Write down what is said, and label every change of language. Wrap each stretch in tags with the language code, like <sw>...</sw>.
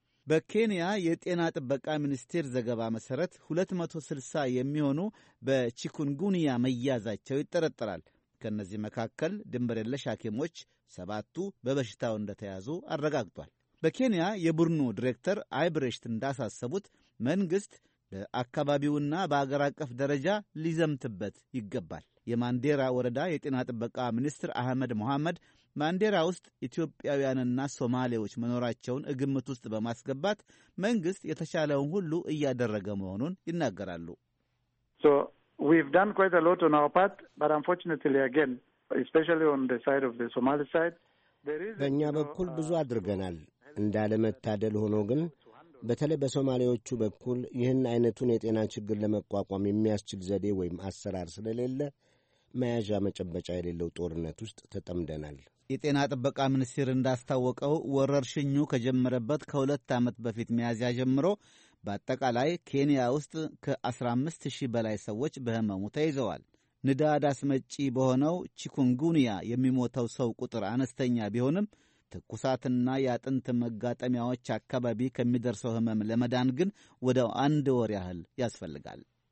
<am>በኬንያ የጤና ጥበቃ ሚኒስቴር ዘገባ መሰረት 260 የሚሆኑ በቺኩንጉንያ መያዛቸው ይጠረጠራል። ከነዚህ መካከል ድንበር የለሽ ሐኪሞች 7ቱ በበሽታው እንደተያዙ አረጋግጧል። በኬንያ የቡርኑ ዲሬክተር አይብሬሽት እንዳሳሰቡት መንግስት ለአካባቢውና በአገር አቀፍ ደረጃ ሊዘምትበት ይገባል። የማንዴራ ወረዳ የጤና ጥበቃ ሚኒስትር አህመድ መሐመድ ማንዴራ ውስጥ ኢትዮጵያውያንና ሶማሌዎች መኖራቸውን እግምት ውስጥ በማስገባት መንግስት የተቻለውን ሁሉ እያደረገ መሆኑን ይናገራሉ።</am> <en>So we've done quite a lot on our part, but unfortunately again, especially on the side of the Somali side, there is</en> <am>በእኛ በኩል ብዙ አድርገናል። እንዳለመታደል ሆኖ ግን በተለይ በሶማሌዎቹ በኩል ይህን አይነቱን የጤና ችግር ለመቋቋም የሚያስችል ዘዴ ወይም አሰራር ስለሌለ መያዣ መጨበጫ የሌለው ጦርነት ውስጥ ተጠምደናል። የጤና ጥበቃ ሚኒስቴር እንዳስታወቀው ወረርሽኙ ከጀመረበት ከሁለት ዓመት በፊት መያዣ ጀምሮ በአጠቃላይ ኬንያ ውስጥ ከ15,000 በላይ ሰዎች በህመሙ ተይዘዋል። ንዳድ አስመጪ በሆነው ቺኩንጉንያ የሚሞተው ሰው ቁጥር አነስተኛ ቢሆንም ትኩሳትና የአጥንት መጋጠሚያዎች አካባቢ ከሚደርሰው ህመም ለመዳን ግን ወደ አንድ ወር ያህል ያስፈልጋል።</am>